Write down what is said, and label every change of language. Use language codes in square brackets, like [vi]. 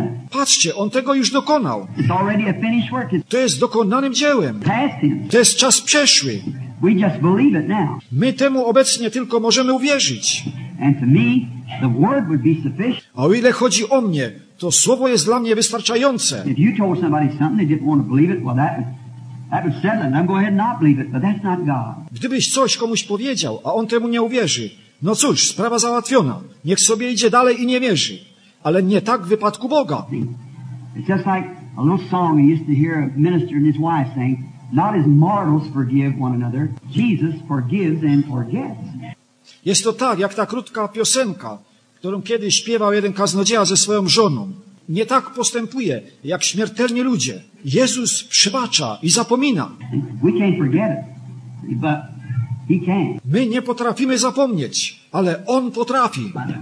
[pl] Patrzcie, on tego już dokonał. To jest dokonanym dziełem. To jest czas przeszły. [en] We just believe it now. [pl] My temu obecnie tylko możemy uwierzyć. [en] And to me, the word would be sufficient. [pl] A o ile chodzi o mnie, to słowo jest dla mnie wystarczające. [en] If you told somebody something they didn't want to believe it, well that would settle it. I'm going ahead and not believe it, but that's not God. [pl] Gdybyś coś komuś powiedział, a on temu nie uwierzy, no cóż, sprawa załatwiona. Niech sobie idzie dalej i nie wierzy. Ale nie tak w wypadku Boga. [en] It's just like a little song I used to hear a minister and his wife saying. Not as mortals forgive one another, Jesus forgives and forgets. [pl] Jest to tak, jak ta krótka piosenka, którą kiedyś śpiewał jeden kaznodzieja ze swoją żoną. Nie tak postępuje, jak śmiertelni ludzie. Jezus przebacza i zapomina. [en] We can't forget it, but he can. [pl] My nie potrafimy zapomnieć, ale On potrafi.